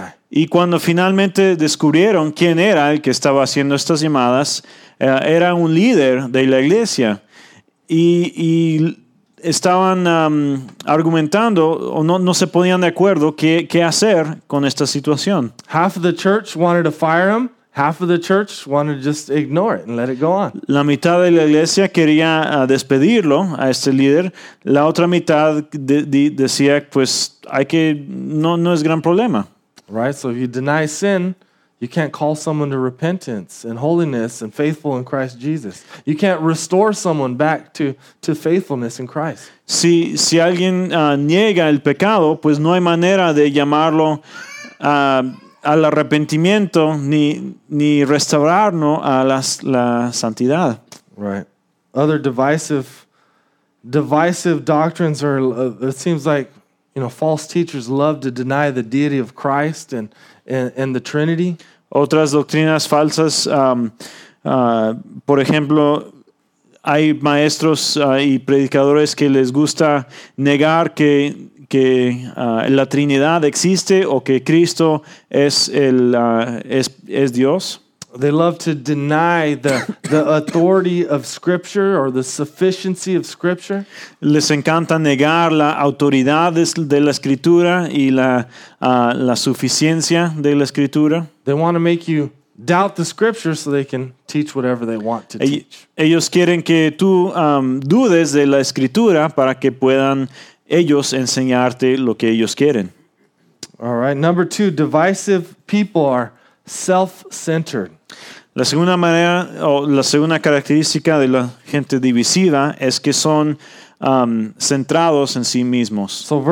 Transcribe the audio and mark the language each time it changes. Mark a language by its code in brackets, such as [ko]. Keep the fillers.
[es] Y cuando finalmente descubrieron quién era el que estaba haciendo estas llamadas, uh, era un líder de la iglesia. Y, y estaban um, argumentando, o no, no se podían de acuerdo, qué, qué hacer con esta situación. [en] Half of the church wanted to fire him. half of the church wanted to just ignore it and let it go on. [es] La mitad de la iglesia quería uh, despedirlo a este líder. La otra mitad de, de, decía, pues, hay que no no es gran problema. [en] Right. So if you deny sin. You can't call someone to repentance and holiness and faithful in Christ Jesus. You can't restore someone back to, to faithfulness in Christ. [es] Si, si alguien uh, niega el pecado, pues no hay manera de llamarlo uh, al arrepentimiento ni, ni restaurarnos a la, la santidad. [en] Right. Other divisive, divisive doctrines are, it seems like, you know, false teachers love to deny the deity of Christ and, and, and the Trinity. [es] Otras doctrinas falsas, um, uh, por ejemplo, hay maestros uh, y predicadores que les gusta negar que, que uh, la Trinidad existe o que Cristo es, el, uh, es, es Dios. [en] They love to deny the, the authority of Scripture or the sufficiency of Scripture. [es] Les encanta negar la autoridad de la Escritura y la, uh, la suficiencia de la Escritura. [en] They want to make you doubt the Scripture so they can teach whatever they want to teach. [es] Ellos quieren que tú um, dudes de la Escritura para que puedan ellos enseñarte lo que ellos quieren. [en] All right, number two, divisive people are self-centered. [es] La segunda manera o la segunda característica de la gente divisiva es que son um, centrados en sí mismos.